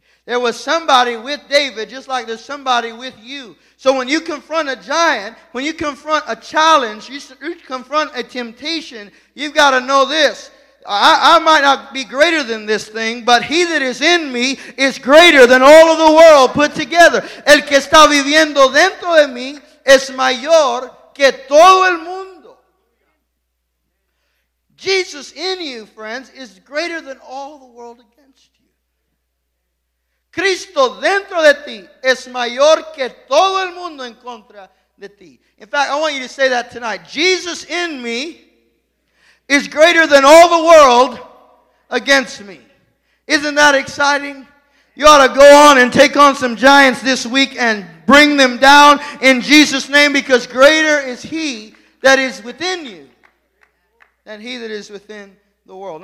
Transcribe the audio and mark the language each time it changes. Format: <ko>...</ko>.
<en>There was somebody with David, just like there's somebody with you. So when you confront a giant, when you confront a challenge, you confront a temptation, you've got to know this. I might not be greater than this thing, but he that is in me is greater than all of the world put together.</en> <es>El que está viviendo dentro de mí es mayor que todo el mundo.</es> <en>Jesus in you, friends, is greater than all the world together.</en> <es>Cristo dentro de ti es mayor que todo el mundo en contra de ti.</es> <en>In fact, I want you to say that tonight. Jesus in me is greater than all the world against me. Isn't that exciting? You ought to go on and take on some giants this week and bring them down in Jesus' name, because greater is he that is within you than he that is within the world.</en>